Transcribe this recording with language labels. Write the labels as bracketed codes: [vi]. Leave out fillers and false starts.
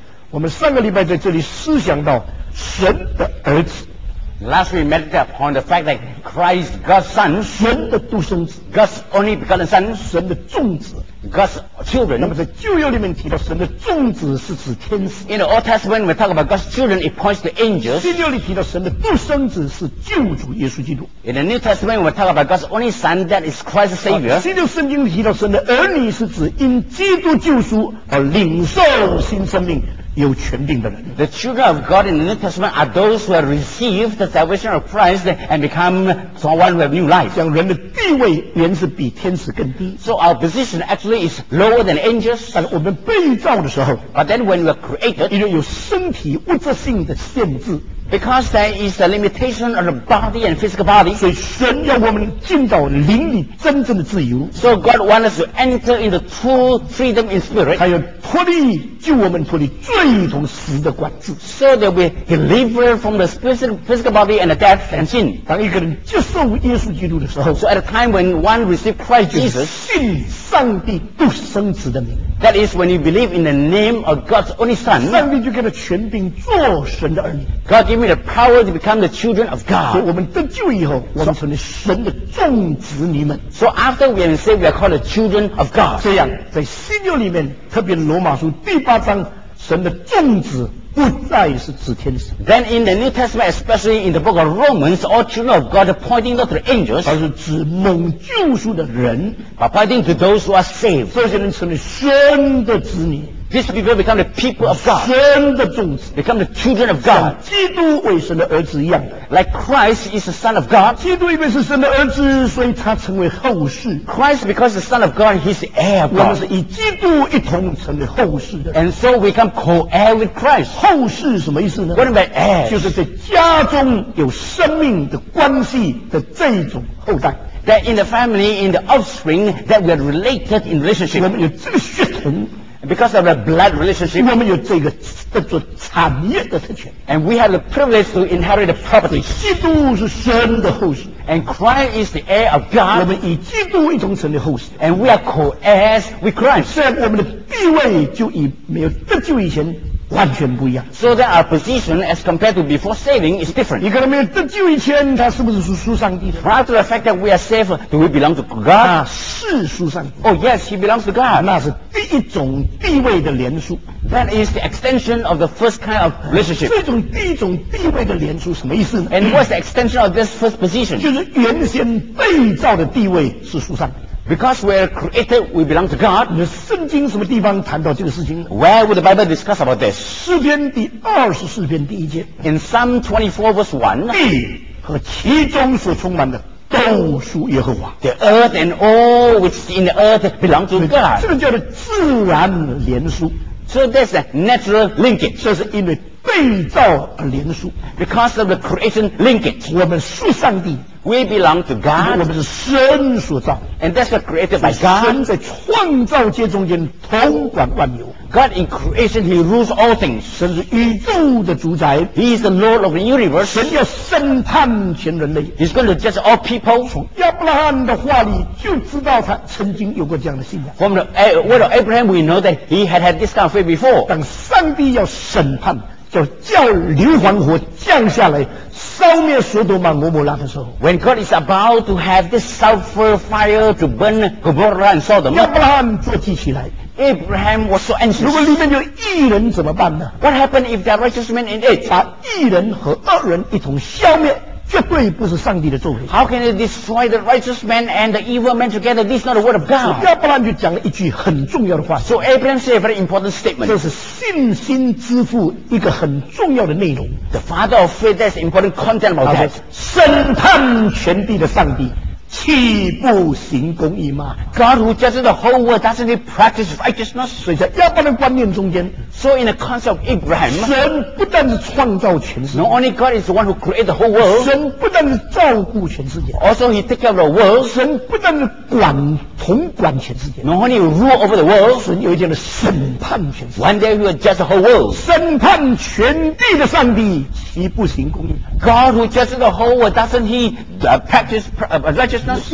[zh] 我们上个礼拜在这里思想到神的儿子。 [en] Last we met upon the fact that Christ, God's Son, [zh] 神的独生子 [en] ，God's only begotten Son, [zh] 神的种子 [en] ，God's children. [zh] 那么在旧约里面提到神的种子是指天使。 [en] In the Old Testament, we talk about God's children, it points to angels. [zh] 新约里提到神的独生子是救主耶稣基督。 [en] In the New Testament, we talk about God's only Son, that is Christ's Savior. [zh] 新约圣经里提到神的儿女是指因基督救赎而领受新生命。有权柄的人。 [en] The children of God in the New Testament are those who have received the salvation of Christ and become someone who have new life. [zh] 像人的地位原是比天使更低。 [en] So our position actually is lower than angels. [zh] 但我们被造的时候 [en] ，But then when we are created, [zh] 因为有身体物质性的限制。 [en] Because there is a limitation of the body and physical body. [zh] 所以神要我们进到灵里真正的自由。 [en] So God wants us to enter into true freedom in spirit. [zh] 他要脱离，救我们脱离罪同死的管制。 [en] So that we deliver from the physical body and the death and sin. [zh] 当一个人接受耶稣基督的时候 [en] ，So at a time when one receives Christ Jesus, [zh] 信上帝独生子的名。 [en] That is when you believe in the name of God's only Son. [zh] 上帝就给他权柄做神的儿女。 [en] God give me the power to become the children of God. [zh] 我们得救以后，我们成为神的众子女们。 [en] So after we are saved, we are called the children of God. [zh] 这样，在新约里面，特别罗马书第八章，神的众子不再是指天使。 [en] Then in the New Testament, especially in the book of Romans, all children of God are pointing not to the angels, [zh] 而是指蒙救赎的人 [en] but pointing to those who are saved. [zh] 这些人成为神的子女。 [en] These people become the people of God. [zh] 神的种子 [en] become the children of God. [zh] 像基督为神的儿子一样的。 [en] Like Christ is the son of God. [zh] 基督因为是神的儿子，所以他成为后世。 [en] Christ because the son of God, he's the heir of God. [zh] 我们是与基督一同成为后世的。 [en] And so we become co-heir with Christ. [zh] 后世什么意思呢？ [en] What about heir? [zh] 就是在家中有生命的关系的这种后代。 [en] That in the family, in the offspring, that we are related in relationship. [zh] 我们有这个血统。 [en] Because of a blood relationship, [zh] 我们有这个叫做产业的特权 [en] and we have the privilege to inherit the property. [zh] 基督是神的后裔 [en] and Christ is the heir of God. [zh] 我们与基督一同成为后裔 [en] and we are co-heirs with Christ. [zh] 虽然我们的地位就以没有得救以前完全不一样 [en] so that our position as compared to before saving is different. [zh] 一个人没有得救以前，他是不是属上帝的？ [en] Prior to the fact that we are saved, do we belong to God? [zh] 他是属上帝。 [en] Oh yes, he belongs to God. [zh] 那是第一种地位的连续。 [en] That is the extension of the first kind of relationship. [zh] 这种第一种地位的连续什么意思呢？ [en] And what's the extension of this first position? [zh] 就是原先被造的地位是属上帝。 [en] Because we are created, we belong to God. [zh] 你的圣经什么地方谈到这个事情 [en] Where would the Bible discuss about this? [zh] 诗篇第二十四篇第一节 [en] In Psalm 24 verse 1 [zh] 地和其中所充满的都属耶和华 [en] The earth and all which is in the earth belong to God. [zh] 这个叫做自然连续 [en] So that's a natural linkage. [zh] 这是因为被造而连续 [en] Because of the creation linkage. [zh] 我们属上帝 [en] We belong to God. [zh] 我们是神所造 [en] And that's created by God. [zh] 神在创造界中间统管万有 [en] God in creation, he rules all things. [zh] 神是宇宙的主宰 [en] He is the Lord of the universe. [zh] 神要审判全人类 [en] He's going to judge all people. [zh] 从亚伯拉罕的话里就知道他曾经有过这样的信仰 [en] From the word of Abraham, we know that he had had this kind of faith before. [zh] 当上帝要审判就叫硫磺火降下来烧灭索多玛摩摩拉的时候 [en] When God is about to have this sulfur fire to burn Gomorrah and Sodom [zh] 亚伯拉罕坐起起来 [en] Abraham was so anxious [zh] 如果里面有义人怎么办呢 [en] What happened if there are righteous men in it [zh] 把义人和恶人一同消灭绝对不是上帝的作为 [en] How can it destroy the righteous man and the evil man together? This is not the word of God. [zh] 亚伯拉罕就讲了一句很重要的话 [en] So Abraham said a very important statement. [zh] 这是信心之父一个很重要的内容 [en] The father of faith, that's important content about that. [zh] 审判全地的上帝岂不行公义吗 [en] God who judges the whole world doesn't he practice righteousness [zh] 所以在亚伯拉罕观念中间 [en] So in the concept of Abraham [zh] 神不但是创造全世界 [en] Not only God is the one who created the whole world [zh] 神不但是照顾全世界 [en] Also he takes care of the world [zh] 神不但是管统管全世界 [en] Not only rule over the world [zh] 神有一天的审判全世界 [en] One day he will judge the whole world [zh] 审判全地的上帝岂不行公义 [en] God who judges the whole world doesn't he practice righteousness